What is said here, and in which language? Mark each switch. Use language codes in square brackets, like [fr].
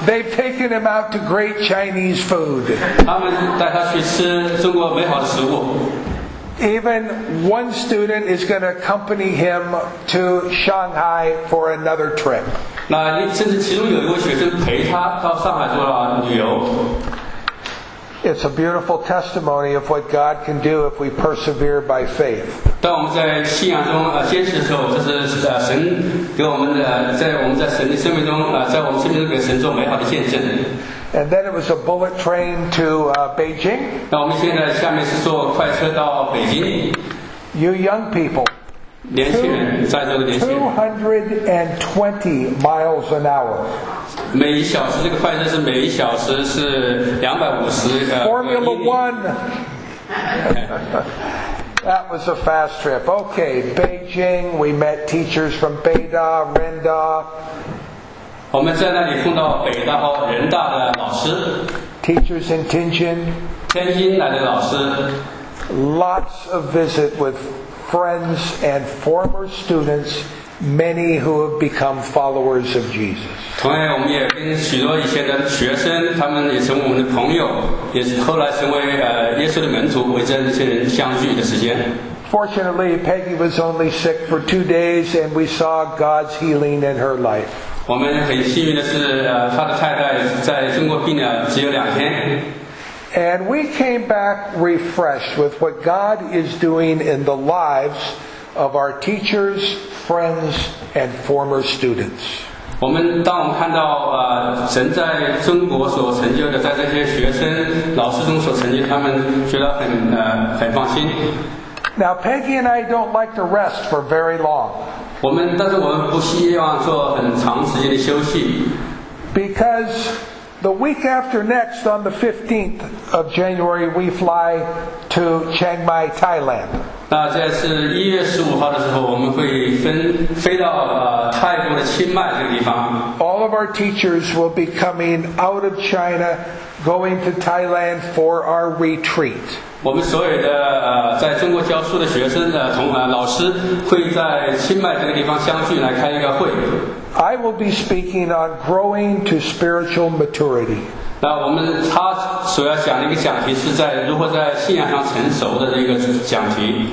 [en] They've taken him out to great Chinese food. [zh] 他们带他去吃中国美好的食物。 [en] Even one student is going to accompany him to Shanghai for another trip. [zh] 那甚至其中有一位学生陪他到上海做了旅游。 [en] It's a beautiful testimony of what God can do if we persevere by faith. [zh] 当我们在信仰中坚持的时候，这是神给我们在我们在神的生命中在我们生命中给神做美好的见证。 [en] And then it was a bullet train to Beijing. [zh] 那我们现在下面是坐快车到北京。 [en] You young people. [zh] 年轻人，在座的年轻人。 [en] 220 miles an hour. [zh] 每一小时这个快车是每一小时是250。 [en] Formula One. That was a fast trip. Okay, Beijing. We met teachers from Beida, Renda. [zh] 我们在那里碰到北大和人大的老师 [en] ，teachers in Tianjin， [zh] 天津来的老师 [en] ，lots of visit with friends and former students， many who have become followers of Jesus。 [zh] 同样，我们也跟许多以前的学生，他们也成为我们的朋友，也是后来成为耶稣的门徒，为这些人相聚的时间。 [en] Fortunately, Peggy was only sick for 2 days, and we saw God's healing in her life. [zh] 我们很幸运的是，他的太太在中国病了只有两天。 [en] And we came back refreshed with what God is doing in the lives of our teachers, friends, and former students. [zh] 我们当我们看到神在中国所成就的，在这些学生、老师中所成就，他们觉得很放心。 [en] Now Peggy and I don't like to rest for very long. [zh] 我们但是我们不希望做很长时间的休息。 [en] Because the week after next, on the 15th of January, we fly to Chiang Mai, Thailand. [zh] 那这是一月十五号的时候，我们会飞到泰国的清迈这个地方。 [en] All of our teachers will be coming out of China, going to Thailand for our retreat. [zh] 我们所有的在中国教书的学生的老师会在清迈这个地方相聚来开一个会。 [en] I will be speaking on growing to spiritual maturity. [zh] 那我们他所要讲的一个讲题是在如何在信仰上成熟的一个讲题。